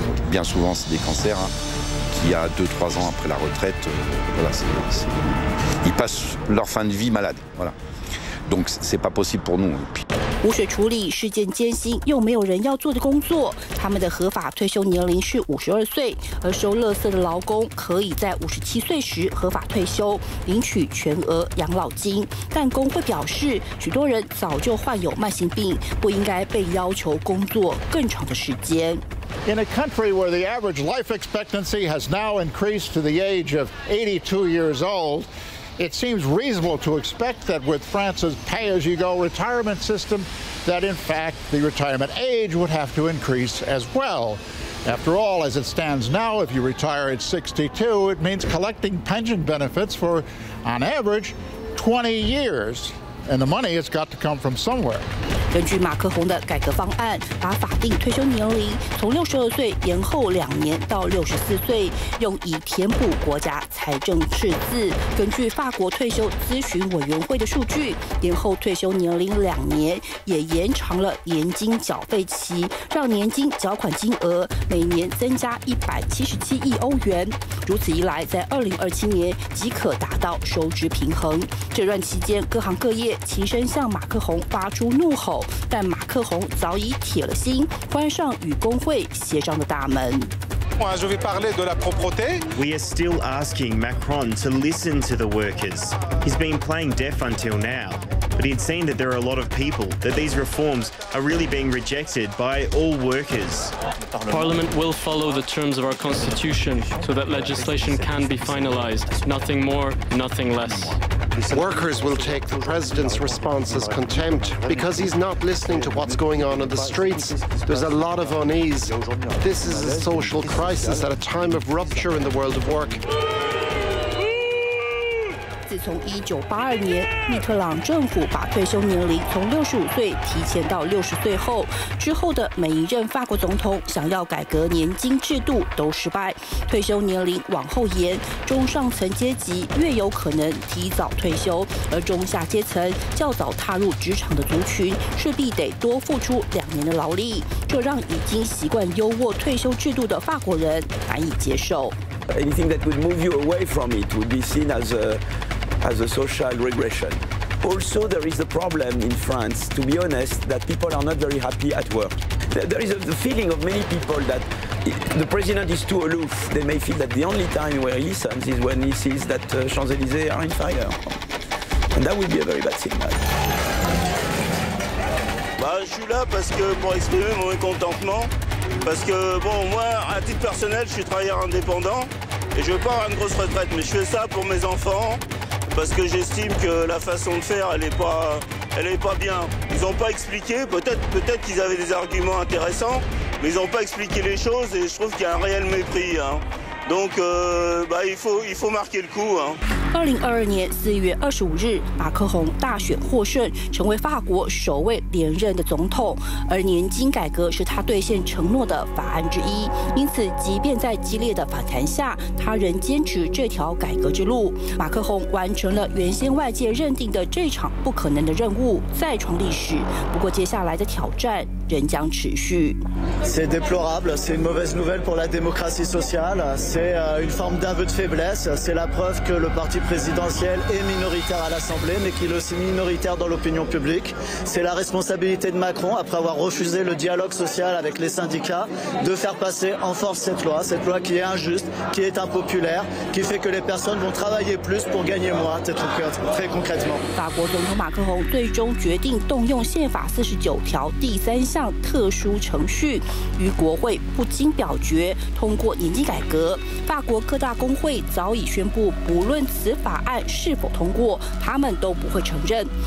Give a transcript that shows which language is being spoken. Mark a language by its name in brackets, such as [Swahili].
[French] Bien souvent, c'est des cancers hein, qui, il y a 2-3 ans après la retraite, voilà, ils passent leur fin de vie malades. Voilà. Donc, c'est pas possible pour nous. [Chinese] 污水处理是件艰辛又没有人要做的工作，他们的合法退休年龄是52岁，而收垃圾的劳工可以在57岁时合法退休领取全额养老金。但工会表示，许多人早就患有慢性病，不应该被要求工作更长的时间。 [English] In a country where the average life expectancy has now increased to the age of 82 years old, it seems reasonable to expect that with France's pay-as-you-go retirement system, that in fact the retirement age would have to increase as well. After all, as it stands now, if you retire at 62, it means collecting pension benefits for, on average, 20 years. And the money has got to come from somewhere. [Chinese] 根据马克宏的改革方案，把法定退休年龄从62岁延后2年到64岁，用以填补国家财政赤字。根据法国退休咨询委员会的数据，延后退休年龄2年，也延长了年金缴费期，让年金缴款金额每年增加177亿欧元。如此一来，在2027年即可达到收支平衡。这段期间，各行各业齐声向马克宏发出怒吼，但马克宏早已铁了心关上与工会协商的大门。 [French] Je vais parler de la propreté. [English] We are still asking Macron to listen to the workers. He's been playing deaf until now, but he'd seen that there are a lot of people, that these reforms are really being rejected by all workers. Parliament will follow the terms of our constitution so that legislation can be finalized. Nothing more, nothing less. Workers will take the president's response as contempt because he's not listening to what's going on in the streets. There's a lot of unease. This is a social crisis at a time of rupture in the world of work. [Chinese] 自从1982年密特朗政府把退休年龄从65岁提前到60岁后，之后的每一任法国总统想要改革年金制度都失败。退休年龄往后延，中上层阶级越有可能提早退休，而中下阶层较早踏入职场的族群势必得多付出2年的劳力，这让已经习惯优渥退休制度的法国人难以接受。 [English] Anything that would move you away from it would be seen as a social regression. Also, there is a problem in France, to be honest, that people are not very happy at work. There is the feeling of many people that the president is too aloof. They may feel that the only time where he listens is when he sees that Champs-Élysées are in fire. And that would be a very bad signal. [French] Bah, je suis là parce que pour exprimer mon mécontentement. Parce que, bon, moi, à titre personnel, je suis travailleur indépendant et je ne veux pas avoir une grosse retraite. Mais je fais ça pour mes enfants parce que j'estime que la façon de faire, elle n'est pas bien. Ils n'ont pas expliqué, peut-être qu'ils avaient des arguments intéressants, mais ils n'ont pas expliqué les choses et je trouve qu'il y a un réel mépris, hein. Donc, il faut marquer le coup, hein. [Chinese] 2022年4月25日，马克宏大选获胜，成为法国首位连任的总统。而年金改革是他兑现承诺的法案之一，因此，即便在激烈的反弹下，他仍坚持这条改革之路。马克宏完成了原先外界认定的这场不可能的任务，再创历史。不过，接下来的挑战仍将持续。 [French] C'est déplorable, c'est une mauvaise nouvelle pour la démocratie sociale. C'est une forme d'aveu de faiblesse. C'est la preuve que le parti présidentiel est minoritaire à l'Assemblée, mais qu'il est aussi minoritaire dans l'opinion publique. C'est la responsabilité de Macron, après avoir refusé le dialogue social avec les syndicats, de faire passer en force cette loi qui est injuste, qui est impopulaire, qui fait que les personnes vont travailler plus pour gagner moins, très concrètement. [Chinese] 法国总统马克宏最终决定动用宪法49条第三项特殊程序，与国会不经表决通过年金改革。法国各大工会早已宣布，不论此法案是否通过，他们都不会承认。